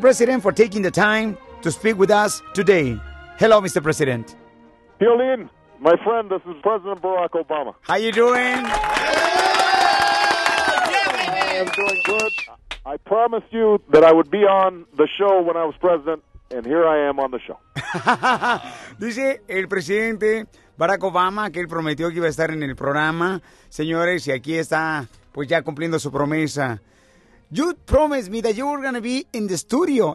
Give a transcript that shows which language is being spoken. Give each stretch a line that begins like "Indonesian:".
English: President, for taking the time to speak with us today. Hello, Mr. President. Piolín, my friend, this is President Barack Obama. How you doing? I am doing good. I promised you that I would be on the show when I was president, and here I am on the show.
Spanish: Dice el presidente Barack Obama que él prometió que iba a estar en el programa. Señores, y aquí está, pues ya cumpliendo su promesa.
English: You promised me that you were going to be in the studio.